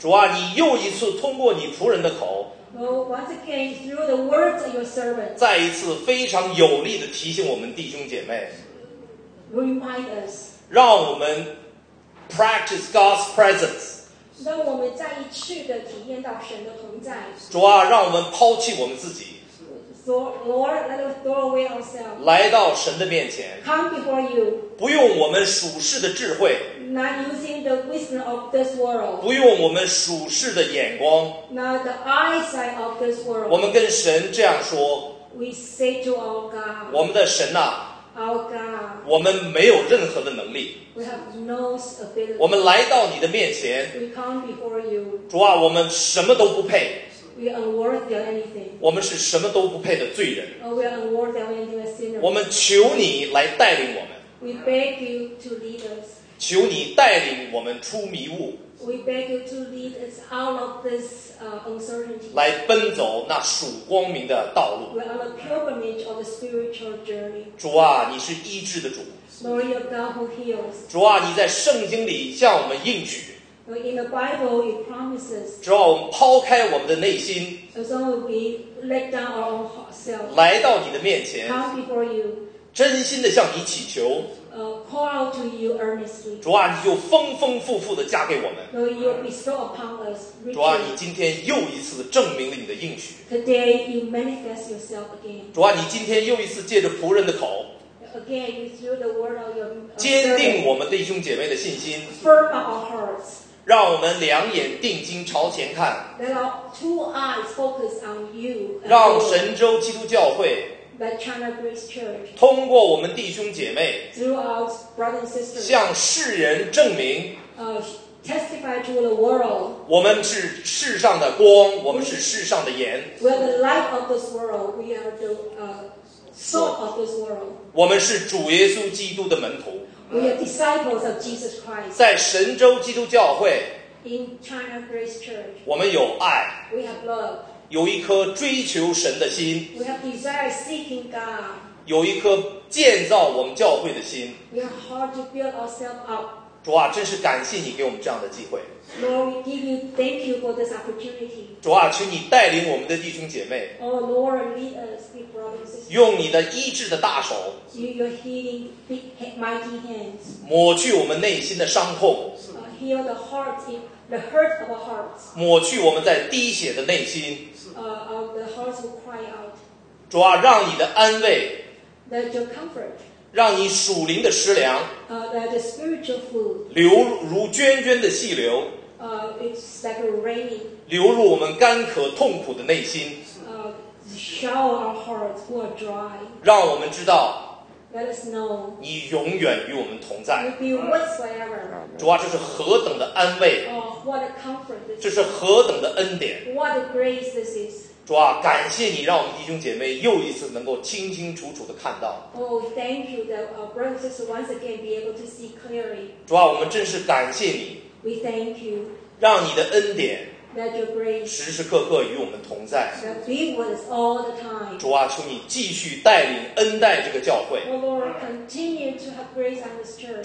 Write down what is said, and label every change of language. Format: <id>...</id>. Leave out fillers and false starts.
<zh>主啊，你又一次通过你仆人的口，</zh> <en>Lord, once again, through the words of your servant,</en> <zh>再一次非常有力地提醒我们弟兄姐妹，</zh> <en>Remind us,</en> <zh>让我们</zh> <en>practice God's presence,</en> <zh>让我们再一次地体验到神的同在。主啊，让我们抛弃我们自己，</zh> <en>Lord, let us throw away ourselves,</en> <zh>来到神的面前，</zh> <en>come before you,</en> <zh>不用我们属世的智慧，</zh> <en>not using the wisdom of this world,</en> <zh>不用我们属世的眼光，</zh> <en>not the eyesight of this world,</en> <zh>我们跟神这样说，</zh> <en>we say to our God,</en> <zh>我们的神啊，</zh> <en>our God,</en> <zh>我们没有任何的能力，</zh> <en>we have no ability,</en> <zh>我们来到你的面前，</zh> <en>we come before you,</en> <zh>主啊，我们什么都不配。</zh> <en>We are unworthy of anything.</en> <zh>我们是什么都不配的罪人。</zh> <en>We are unworthy of anything, a sinner.</en> <zh>我们求你来带领我们。</zh> <en>We beg you to lead us.</en> <zh>求你带领我们出迷雾。</zh> <en>We beg you to lead us out of this uncertainty.</en> <zh>来奔走那属光明的道路。</zh> <en>We are on a pilgrimage of the spiritual journey.</en> <zh>主啊，你是医治的主。</zh> <en>Lord, you are God who heals.</en> <zh>主啊，你在圣经里向我们应许。</zh> <en>In the Bible, it promises.</en> <zh>主啊，我们抛开我们的内心，</zh> <en>as long as we let down our own selves,</en> <zh>来到你的面前，</zh> <en>come before you,</en> <zh>真心的向你祈求，</zh> <en>call out to you earnestly.</en> <zh>主啊，你就丰丰富富的加给我们。</zh> <en>Lord, you bestow upon us.</en> <zh>主啊，你今天又一次证明了你的应许。</zh> <en>Today, you manifest yourself again.</en> <zh>主啊，你今天又一次借着仆人的口。</zh> <en>Again, through the word of your.</en> <zh>坚定我们弟兄姐妹的信心。</zh> <en>Firm our hearts.</en> <zh>让我们两眼定睛朝前看，</zh> <en>Let our two eyes focus on you,</en> <zh>让神州基督教会</zh> <en>the China Grace Church,</en> <zh>通过我们弟兄姐妹</zh> <en>through our brothers and sisters,</en> <zh>向世人证明</zh> <en>testify to the world,</en> <zh>我们是世上的光，我们是世上的盐，</zh> <en>we are the light of this world, we are the salt of this world,</en> <zh>我们是主耶稣基督的门徒。</zh> <en>We are disciples of Jesus Christ.</en> <zh>在神州基督教会，</zh> <en>In China Grace Church,</en> <zh>我们有爱，</zh> <en>We have love.</en> <zh>有一颗追求神的心，</zh> <en>We have desire seeking God.</en> <zh>有一颗建造我们教会的心，</zh> <en>We are hard to build ourselves up.</en> <zh>主啊，真是感谢你给我们这样的机会。</zh> <en>Lord, we give you thank you for this opportunity.</en> <zh>主啊，请你带领我们的弟兄姐妹。</zh> <en>Oh Lord, lead us, we promise.</en> <zh>用你的医治的大手。</zh> <en>Use your healing mighty hands.</en> <zh>抹去我们内心的伤痛。</zh> <en>Heal the hearts, the hurt of our hearts.</en> <zh>抹去我们在滴血的内心。</zh> <en>Of the hearts who cry out.</en> <zh>主啊，让你的安慰。</zh> <en>Let your comfort.</en> <zh>让你属灵的食粮，</zh> <en>the spiritual food,</en> <zh>流如涓涓的细流，</zh> <en>it's like rain,</en> <zh>流入我们干渴痛苦的内心，</zh> <en>shower our hearts who are dry,</en> <zh>让我们知道，</zh> <en>let us know,</en> <zh>你永远与我们同在。</zh> <en>we'll be whatsoever.</en> <zh>主啊，这是何等的安慰。</zh> <en>what a comfort this is.</en> <zh>这是何等的恩典。</zh> <en>what a grace this is.</en> <zh>主啊，感谢你让我们弟兄姐妹又一次能够清清楚楚地看到。</zh> <en>Oh, thank you that our brothers once again be able to see clearly.</en> <zh>主啊，我们真是感谢你。</zh> <en>We thank you.</en> <zh>让你的恩典</zh> <en>That your grace,</en> <zh>时时刻刻与我们同在。</zh> <en>That be with us all the time.</en> <zh>主啊，求你继续带领恩待这个教会。</zh> <en>Oh Lord, continue to have grace on this church.</en>